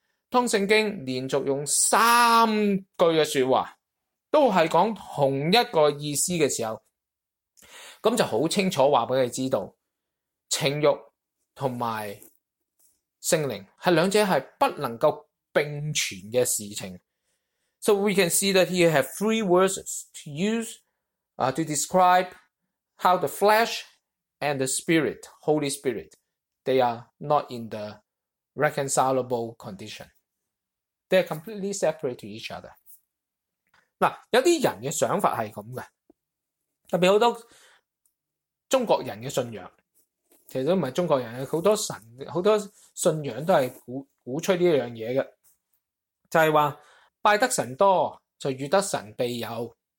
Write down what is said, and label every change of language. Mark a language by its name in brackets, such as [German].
[Chinese] 当圣经连续用三句的说话都是讲同一个意思的时候，那就很清楚告诉你知道，情欲和圣灵是两者是不能够并存的事情。 [English] So we can see that he have three words to use to describe how the flesh and the spirit, Holy Spirit, they are not in the reconcilable condition. They are completely separate to each other. [Chinese] 有些人的想法是这样的，特别很多中国人的信仰，其实都不是中国人，很多神，很多信仰都是鼓吹这样东西的，就是说拜得神多就遇得神庇佑。